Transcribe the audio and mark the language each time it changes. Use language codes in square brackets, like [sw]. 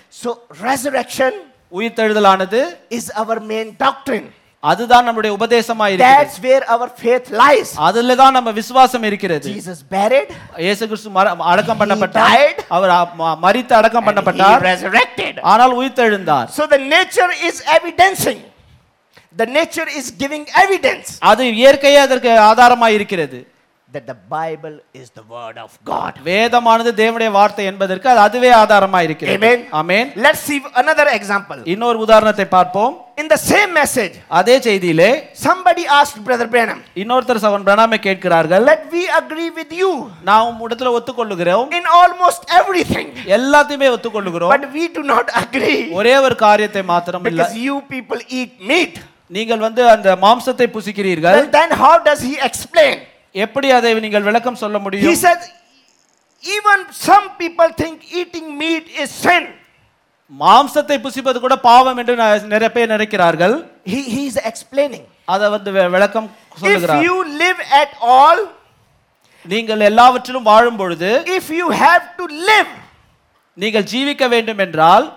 [en] So resurrection [ta] உயிர்த்தெழுதலானது [en] is our main doctrine [ta] அதுதான் நம்முடைய உபதேசமாக இருக்கிறது. [en] That's where our faith lies [ta] அதிலே தான் நம்ம விசுவாசம் இருக்கிறது. [en] Jesus buried [ta] இயேசு கிறிஸ்து அடக்கம் பண்ணப்பட்டார். அவர் மரித்து அடக்கம் பண்ணப்பட்டார். [en] He resurrected [ta] ஆனால் உயிர்த்தெழுந்தார். [en] So the nature is evidencing the nature is giving evidence [ta] அது இயற்கையே அதற்கு ஆதாரமாக இருக்கிறது. [en] That the Bible is the word of God. [ta] வேதமானது தேவனுடைய வார்த்தை என்பதற்கு அதுவே ஆதாரமாக இருக்கிறது. [en] Amen. Amen. Let's see another example. [ta] இன்னொரு உதாரணத்தை பார்ப்போம். [en] In the same message. [ta] அதே செய்தியிலே. [en] Somebody asked brother Branham. [ta] இன்னொருத்தர் சகோதரன் பிரணாமே கேட்கிறார்கள். [en] Let we agree with you. [ta] நாம் உம்முடத்தில் ஒத்துக்கொள்ளுகிறோம். [en] In almost everything. [ta] எல்லாத்தையுமே ஒத்துக்கொள்ளுகிறோம். [en] But we do not agree. [ta] ஒரே ஒரு காரியத்தை மாத்திரம் இல்ல. [en] Because you people eat meat. [ta] நீங்கள் வந்து அந்த மாம்சத்தை புசிக்கிறீர்கள். [en] Well, then how does he explain? [ta] எப்படி அதை நீங்கள் விளக்கம் சொல்ல முடியும்? [en] He said even some people think eating meat is sin. [ta] மாம்சத்தை புசிப்பது கூட பாவம் என்று நிறைய பேர் நினைக்கிறார்கள். [en] He is explaining. [ta] அதை வந்து விளக்கம் சொல்கிறார். [en] If you live at all [ta] நீங்கள் எல்லாவற்றிலும் வாழும் பொழுது [en] if you have to live [ta] நீங்கள் ஜீவிக்க வேண்டும் என்றால்